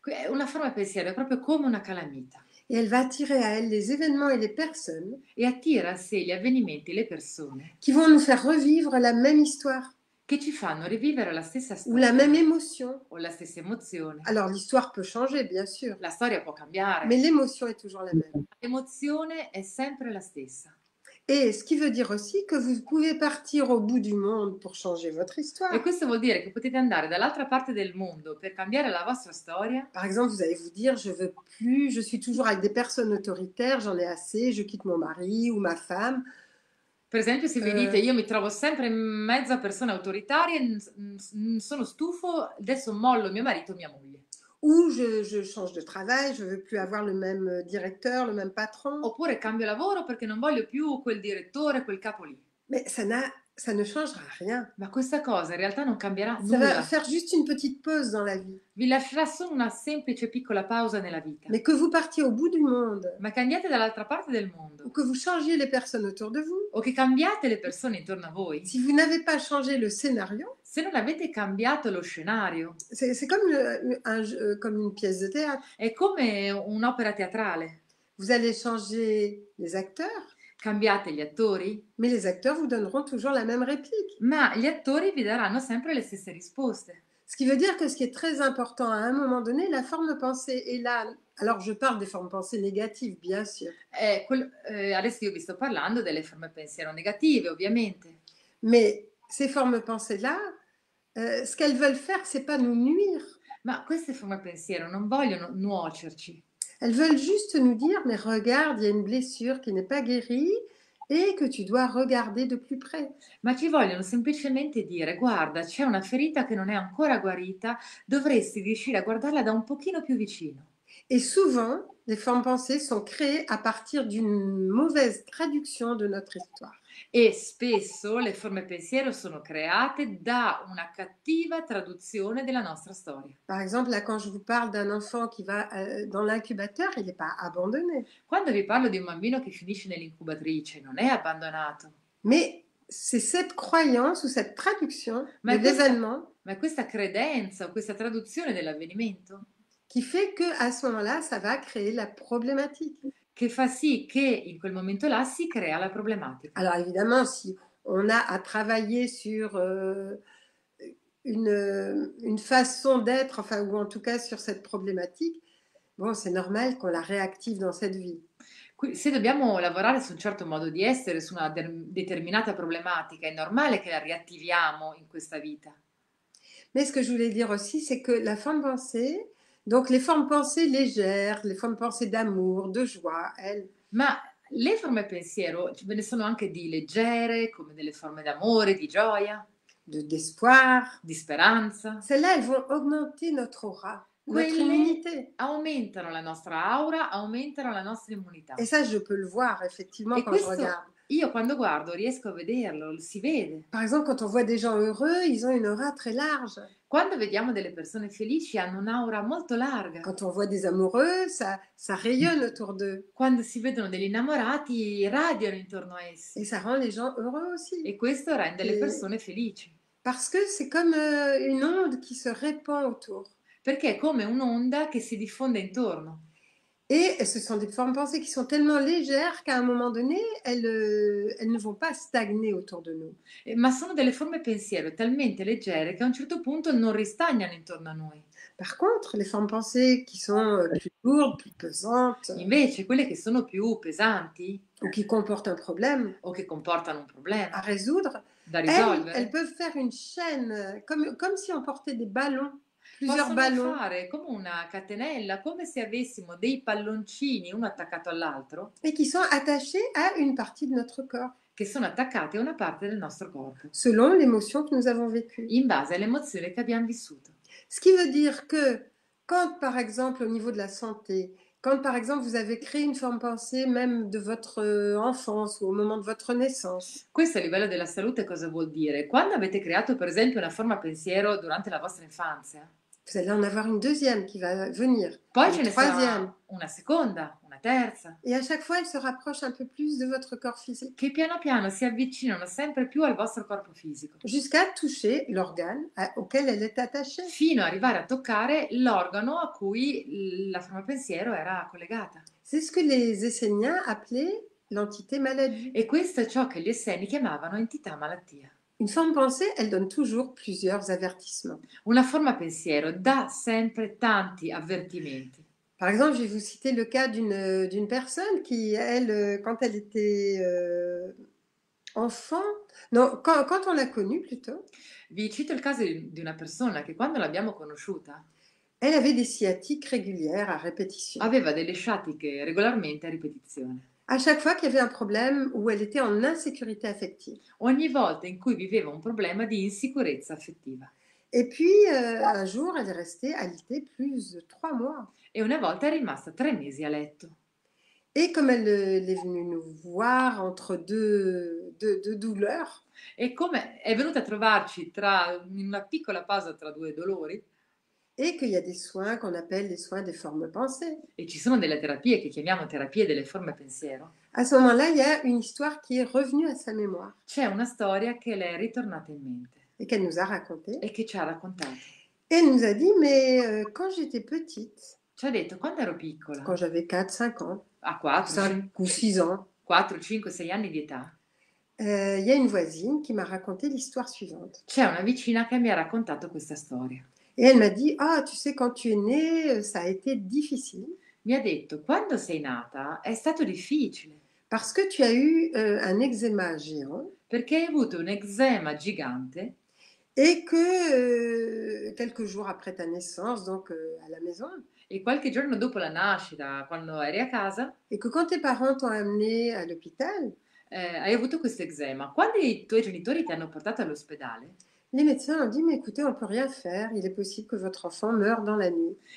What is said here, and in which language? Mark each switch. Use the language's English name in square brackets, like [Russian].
[Italian] Una forma pensiero è proprio come una calamita. [French] Et elle va attirer à elle les événements et les personnes. [Italian] E attira a sé gli avvenimenti e le persone. [French] Qui vont nous faire revivre la même histoire. [Italian] Che ci fanno rivivere la stessa storia. [French] Ou la même émotion. [Italian] O la stessa emozione. [French] Alors l'histoire peut changer, bien sûr. [Italian] La storia può cambiare. [French] Mais l'émotion est toujours la même. [Italian] L'emozione è sempre la stessa. [French] Et ce qui veut dire aussi que vous pouvez partir au bout du monde pour changer votre histoire. [Italian] E questo vuol dire che potete andare dall'altra parte del mondo per cambiare la vostra storia. [French] Par exemple, vous allez vous dire, je veux plus, je suis toujours avec des personnes autoritaires, j'en ai assez, je quitte mon mari ou ma femme. [Italian] Per esempio, se vi dite io mi trovo sempre in mezzo a persone autoritarie, sono stufo, adesso mollo mio marito o mia moglie. [French] Ou je change de travail, je veux plus avoir le même directeur, le même patron. [Italian] Oppure cambio lavoro perché non voglio più quel direttore, quel capo lì. [French] Mais ça ne changera rien. [Italian] Ma questa cosa in realtà non cambierà nulla. [French] Ça va faire juste une petite pause dans la vie. [Italian] Vi lascerà solo una semplice piccola pausa nella vita. [French] Mais que vous partiez au bout du monde. [Italian] Ma che andiate dall'altra parte del mondo. [French] Ou que vous changiez les personnes autour de vous. [Italian] O che cambiate le persone intorno a voi. [French] Si vous n'avez pas changé le scénario. [Italian] Se non avete cambiato lo scenario. [French] C'est comme comme une pièce de théâtre. [Italian] È come un'opera teatrale. [French] Vous allez changer les acteurs. [Italian] Cambiate gli attori. [French] Mais les acteurs vous donneront toujours la même réplique. [Italian] Ma gli attori vi daranno sempre le stesse risposte. [French] Ce qui veut dire que ce qui est très important à un moment donné, la forme pensée est là. Alors je parle des formes pensées négatives, bien sûr. [Italian] Adesso io vi sto parlando delle forme pensiero negative, ovviamente. [French] Mais ces formes pensées là, ce qu'elles veulent faire, c'est pas nous nuire. [Italian] Ma queste forme pensiero non vogliono nuocerci. [French] Elles veulent juste nous dire, mais regarde, il y a une blessure qui n'est pas guérie et que tu dois regarder de plus près. [Italian] Ma ci vogliono semplicemente dire, guarda, c'è una ferita che non è ancora guarita, dovresti riuscire a guardarla da un pochino più vicino. [French] Et souvent, les formes pensées sont créées à partir d'une mauvaise traduction de notre histoire. [Italian] E spesso le forme pensiero sono create da una cattiva traduzione della nostra storia. [French] Par exemple, là, quand je vous parle d'un enfant qui va dans l'incubateur, il n'est pas abandonné. [Italian] Quando vi parlo di un bambino che finisce nell'incubatrice, non è abbandonato. [French] Mais c'est cette croyance ou cette traduction de l'événement. [Italian] Ma questa credenza o questa traduzione dell'avvenimento [French] qui fait que à ce moment-là, ça va créer la problématique. [Italian] Che fa sì che in quel momento là si crea la problematica. [French] Alors évidemment, si on a à travailler sur une façon d'être, enfin ou en tout cas sur cette problématique, bon, c'est normal qu'on la réactive dans cette vie. [Italian] Se dobbiamo lavorare su un certo modo di essere, su una determinata problematica, è normale che la riattiviamo in questa vita. [French] Mais ce que je voulais dire aussi, c'est que la forme pensée. Donc les formes pensées légères, les formes pensées d'amour, de joie, elles. [Italian] Ma le forme pensiero ce ne sono anche di leggere, come delle forme d'amore, di gioia, [French] d'espoir, [Italian] di speranza. [French] Celles-là, elles vont augmenter notre aura. notre immunité. [Italian] Aumentano la nostra aura, aumentano la nostra immunità. [French] E ça, je peux le voir, effectivement, quand je regarde. [Italian] Io quando guardo riesco a vederlo, si vede. [French] Par exemple, quand on voit des gens heureux, ils ont une aura très large. [Italian] Quando vediamo delle persone felici, hanno un'aura molto larga. [French] Quand on voit des amoureux, ça rayonne autour d'eux. [Italian] Quando si vedono degli innamorati, radiano intorno a essi. [French] Et ça rend les gens heureux aussi. [Italian] E questo rende le persone felici. [French] Parce que c'est comme une onde qui se répand autour. [Italian] Perché è come un'onda che si diffonde intorno. [French] Et ce sont des formes pensées qui sont tellement légères qu'à un moment donné, elles ne vont pas stagner autour de nous. [Italian] Ma sono delle forme pensiero talmente leggere che a un certo punto non ristagnano intorno a noi. [French] Par contre, les formes pensées qui sont plus lourdes, plus pesantes. [Italian] Invece, quelle [French] qui sont plus [Italian] pesanti. [French] Ou qui comportent un problème. [Italian] O che comportano un problema. [French] À résoudre. [Italian] Da risolvere. [French] Elles peuvent faire une chaîne, comme si on portait des ballons. Plusieurs ballons. [Italian] Possono fare come una catenella, come se avessimo dei palloncini uno attaccato all'altro. [French] Et qui sont attachés à une partie de notre corps. [Italian] Che sono attaccati a una parte del nostro corpo. [French] Selon l'émotion que nous avons vécue. [Italian] In base all'emozione che abbiamo vissuto. [French] Ce qui veut dire que quand par exemple au niveau de la santé, quand par exemple vous avez créé une forme pensée même de votre enfance ou au moment de votre naissance. [Italian] Questo a livello della salute cosa vuol dire? Quando avete creato per esempio una forma pensiero durante la vostra infanzia? [French] Vous allez en avoir une deuxième qui va venir. [Italian] Poi ce ne sarà una seconda, una terza. [French] Et à chaque fois elle se rapproche un peu plus de votre corps physique. [Italian] Che piano piano si avvicinano sempre più al vostro corpo fisico. [French] Jusqu'à toucher l'organe auquel elle est attachée. [Italian] Fino ad arrivare a toccare l'organo a cui la forma pensiero era collegata. [French] C'est ce que les Esséniens appelaient l'entité maladie. [Italian] E questo è ciò che gli Esseni chiamavano entità malattia. [French] Une forme pensée, elle donne toujours plusieurs avvertissements. [Italian] Una forma pensiero dà sempre tanti avvertimenti. [French] Par exemple, je vais vous citer le cas d'une personne qui, elle, quand elle était enfant, non, quand on l'a connue plutôt. [Italian] Vi cito il caso di una persona che quando l'abbiamo conosciuta. [French] Elle avait des sciatiques régulières à répétition. [Italian] Aveva delle sciatiche regolarmente a ripetizione. [French] À chaque fois qu'il y avait un problème où elle était en insécurité affective. [Italian] Ogni volta in cui viveva un problema di insicurezza affettiva. [French] Et puis un jour elle est restée alitée plus de 3 mois. [Italian] E una volta è rimasta 3 mesi a letto. [French] Et comme elle est venue nous voir entre deux douleurs. [Italian] E come è venuta a trovarci tra in una piccola pausa tra due dolori. [French] Et qu'il y a des soins qu'on appelle les soins des formes pensées. [Italian] E ci sono delle terapie che chiamiamo terapie delle forme pensiero. [French] À ce moment-là, il y a une histoire qui est revenue à sa mémoire. [Italian] C'è una storia che le è ritornata in mente. [French] Et qu'elle nous a raconté. [Italian] E che ci ha raccontato. [French] Et elle nous a dit, mais quand j'étais petite. [Italian] Ci ha detto, quando ero piccola. [French] Quand j'avais 4, 5 ans. [Italian] A 4, [French] 5 ou 6 ans. [Italian] 4, 5, 6 anni di età. [French] Il y a une voisine qui m'a raconté l'histoire suivante. [Italian] C'è una vicina che mi ha raccontato questa storia. [French] Et elle m'a dit, ah, tu sais, quand tu es née, ça a été difficile. [Italian] Mi ha detto, quando sei nata, è stato difficile. [French] Parce que tu as eu un eczéma géant. [Italian] Perché hai avuto un eczéma gigante. [French] Et que quelques jours après ta naissance, donc à la maison. [Italian] E qualche giorno dopo la nascita, quando eri a casa. [French] Et que quand tes parents t'ont amené à l'hôpital. [Italian] Hai avuto questo eczéma. Quando i tuoi genitori ti hanno portato all'ospedale. [French] Les médecins ont dit, mais écoutez, on ne peut rien faire, il est possible que votre enfant meure dans la nuit.